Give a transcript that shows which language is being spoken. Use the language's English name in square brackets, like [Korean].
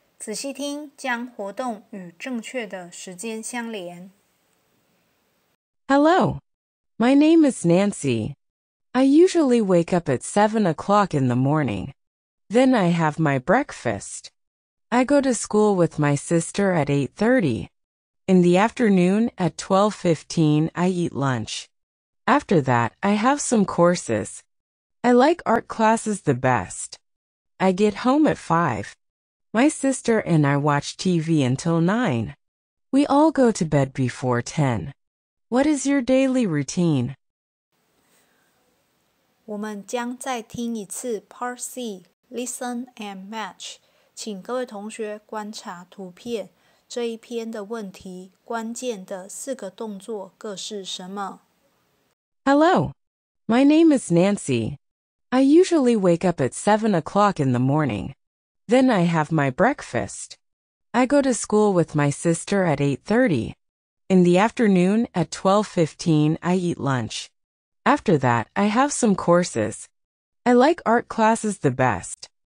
[Chinese] 仔细听，将活动与正确的时间相连。 [English] Hello. My name is Nancy. I usually wake up at 7 o'clock in the morning. Then I have my breakfast. I go to school with my sister at 8:30. In the afternoon at 12:15, I eat lunch. After that, I have some courses. I like art classes the best. I get home at 5. My sister and I watch TV until 9. We all go to bed before 10. What is your daily routine? [Chinese] 我们将再听一次 Part C, Listen and Match. 请各位同学观察图片，这一篇的问题，关键的四个动作各是什么？ [English] Hello, my name is Nancy. I usually wake up at 7 o'clock in the morning. Then I have my breakfast. I go to school with my sister at 8:30. In the afternoon at 12:15, I eat lunch. After that, I have some courses. I like art classes the best.